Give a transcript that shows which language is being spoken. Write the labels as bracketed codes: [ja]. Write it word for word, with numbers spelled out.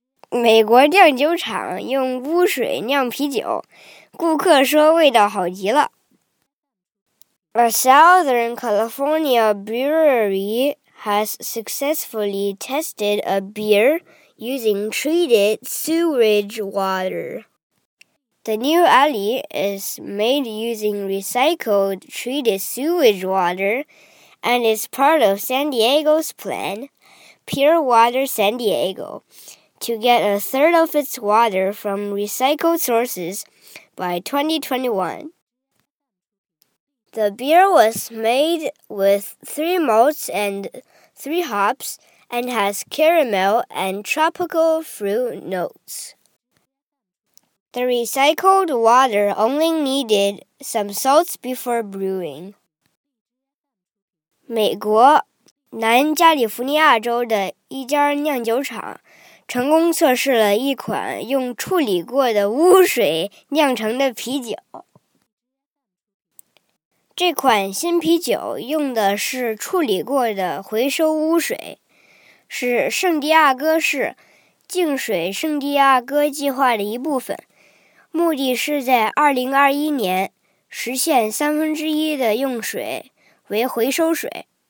[zh] 美国酿酒厂用污水酿啤酒，顾客说味道好极了。 [en] A Southern California brewery has successfully tested a beer using treated sewage water. The new ale is made using recycled treated sewage water and is part of San Diego's plan, Pure Water San Diego, to get a third of its water from recycled sources by twenty twenty-one. The beer was made with three malts and three hops and has caramel and tropical fruit notes. The recycled water only needed some salts before brewing. [zh] 美国南加利福尼亚州的一家酿酒厂成功测试了一款用处理过的污水酿成的啤酒。这款新啤酒用的是处理过的回收污水，是圣地亚哥市净水圣地亚哥计划的一部分，目的是在二零二一年实现三分之一的用水为回收水。